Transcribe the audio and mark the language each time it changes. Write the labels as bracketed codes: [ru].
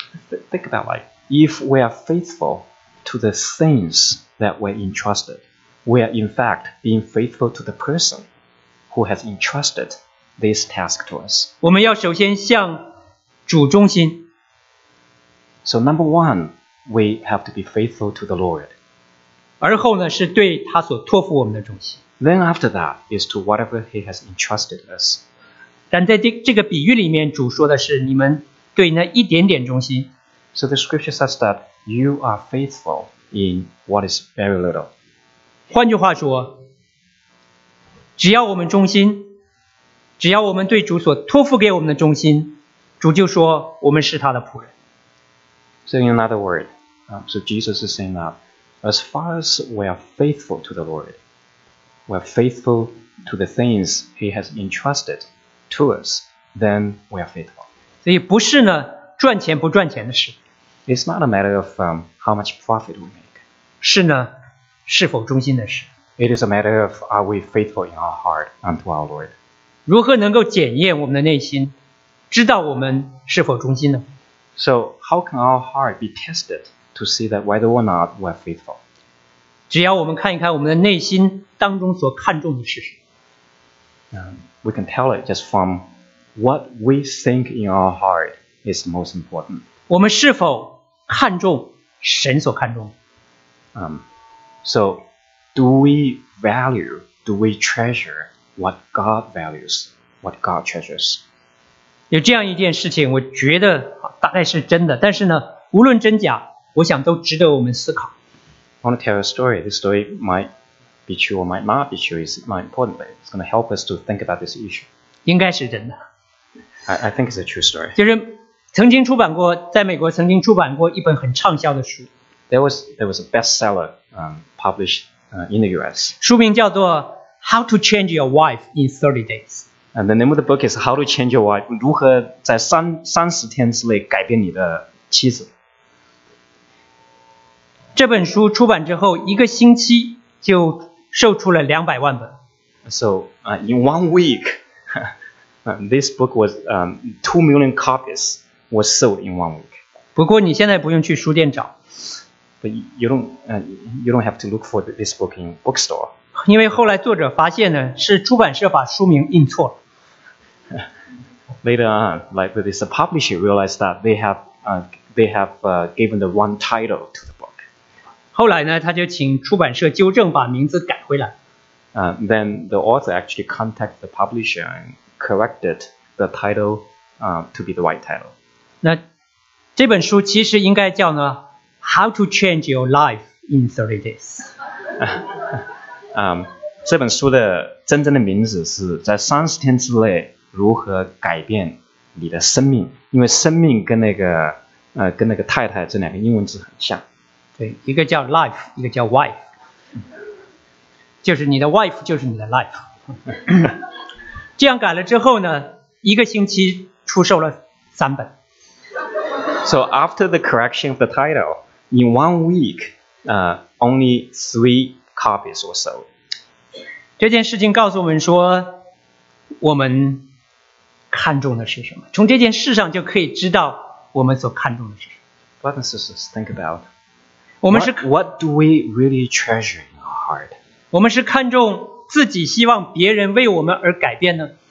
[en] Think about it. If we are faithful to the things that we're entrusted, we are in fact being faithful to the person who has entrusted this task to us. [zh] 我们要首先向主忠心。 [en] So number one, we have to be faithful to the Lord. [zh] 而后呢，是对他所托付我们的忠心。 [en] Then after that is to whatever he has entrusted us. [zh] 但在这个比喻里面，主说的是你们对那一点点忠心。 [en] So the scripture says that you are faithful in what is very little. [zh] 换句话说，只要我们忠心，只要我们对主所托付给我们的忠心，主就说我们是他的仆人。 [en] So in another word, so Jesus is saying that as far as we are faithful to the Lord, we are faithful to the things he has entrusted to us, then we are faithful. [zh] 所以不是呢，赚钱不赚钱的事。 [en] It's not a matter of how much profit we make. [zh] 是呢，是否忠心的事。 [en] It is a matter of are we faithful in our heart unto our Lord. [zh] 如何能够检验我们的内心，知道我们是否忠心呢？ [en] So how can our heart be tested to see that whether or not we are faithful? [zh] 只要我们看一看我们的内心当中所看重的是什么。 [en] We can tell it just from what we think in our heart is most important. [zh] 我们是否看重神所看重的。 [en] So do we value, do we treasure what God values, what God treasures. [zh] 有这样一件事情，我觉得大概是真的，但是呢，无论真假，我想都值得我们思考。 [en] I want to tell a story. This story might be true or might not be true. It's not important, but it's going to help us to think about this issue. [zh] 应该是真的。 [en] I think it's a true story. [zh] 就是曾经出版过，在美国曾经出版过一本很畅销的书。 [en] There was a bestseller published in the U.S. [zh] 书名叫做 [en] How to Change Your Wife in 30 Days. And the name of the book is How to Change Your Wife. [zh] 如何在30天之内改变你的妻子。这本书出版之后，一个星期就售出了200万本。 [en] So in 1 week, this book was 2 million copies was sold in 1 week. [zh] 不过你现在不用去书店找。 [en] But you don't have to look for this book in bookstore. [zh] 因为后来作者发现呢，是出版社把书名印错了。 [en] Later on, like with this publisher realized that they have given the wrong title to the book. [zh] 后来呢，他就请出版社纠正，把名字改回来。 [en] Then the author actually contacted the publisher and corrected the title to be the right title. [zh] 那这本书其实应该叫呢？ [en] How to change your life in 30 days. [zh] 这本书的真正的名字是在30天之内如何改变你的生命，因为生命跟那个太太这两个英文字很像。对，一个叫 life， 一个叫 wife， 就是你的 wife 就是你的 life。这样改了之后呢，一个星期出售了三本。 [en] So after the correction of the title,In 1 week, only 3 copies were sold. [zh] 这件事情告诉我们说，我们看重的是什么？从这件事上就可以知道我们所看重的是什么。 [en] Brothers and sisters, think about. [zh] 我们是 [en] what do we really treasure in our heart? [zh] 我们是看重自己，希望别人为我们而改变呢